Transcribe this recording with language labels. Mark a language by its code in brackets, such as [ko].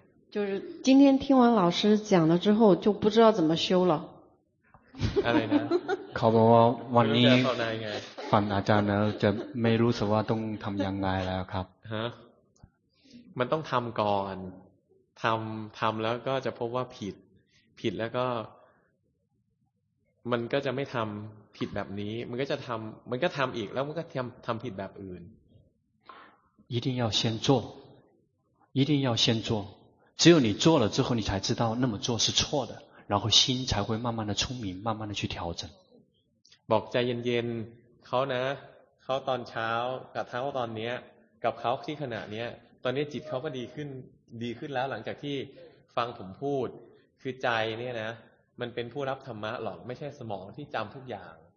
[zh] 就是今天听完老师讲了之后就不知道怎么修了。 [th] เขาบอกว่าวันนี้ฟังอาจารย์แล้วจะไม่รู้สึกว่าต้องทำยังไงแล้วครับ ฮะมันต้องทำก่อนทำแล้วก็จะพบว่าผิดแล้วก็มันก็จะไม่ทำผิดแบบนี้มันก็ทำอีกแล้วมันก็ทำผิดแบบอื่น [zh] 一定要先做一定要先做只有你做了之后你才知道那么做是错的然后心才会慢慢的聪明慢慢的去调整 [th] บอกใจเย็นๆเขานะเขาตอนเช้ากับเขาตอนนี้กับเขาที่ขณะนี้ตอนนี้จิตเขาก็ดีขึ้นแล้วหลังจากที่ฟังผมพูดคือใจเนี่ยนะมันเป็นผู้รับธรรมะหรอกไม่ใช่สมองที่จำทุกอย่าง